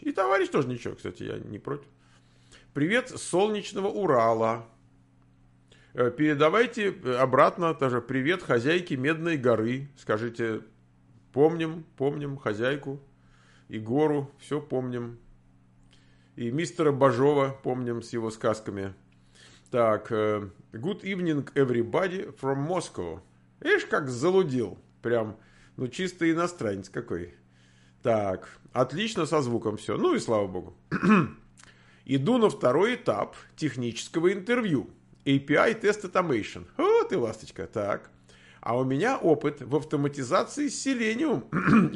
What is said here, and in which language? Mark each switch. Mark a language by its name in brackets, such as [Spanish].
[Russian] И товарищ тоже ничего, кстати, я не против. Привет, солнечного Урала. Передавайте обратно тоже привет хозяйке Медной горы. Скажите, помним хозяйку и гору, все помним. И мистера Бажова помним с его сказками. [English] Так, good evening everybody from Moscow. [Russian] Видишь, как залудил, прям, ну чистый иностранец какой. Так, отлично со звуком все, ну и слава богу. Иду на второй этап технического интервью. API Test Automation. О, ты ласточка. Так. А у меня опыт в автоматизации с Selenium.